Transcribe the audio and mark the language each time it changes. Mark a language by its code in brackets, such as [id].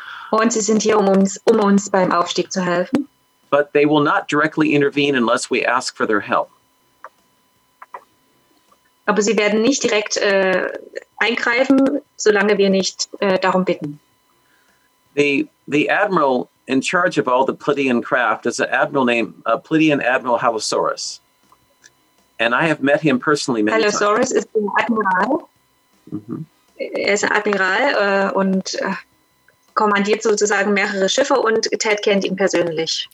[de] Und sie sind hier, um uns beim Aufstieg zu helfen. [en] But they will not directly intervene unless we ask for their help. [de] Aber sie werden nicht direkt eingreifen, solange wir nicht darum bitten. [en] The admiral in charge of all the Pleiadian craft is an admiral named Pleiadian Admiral Halosaurus. And I have met him personally many times. [de] Halosaurus ist der Admiral. Mm-hmm. er ist ein Admiral und kommandiert sozusagen mehrere Schiffe und Ted kennt ihn persönlich.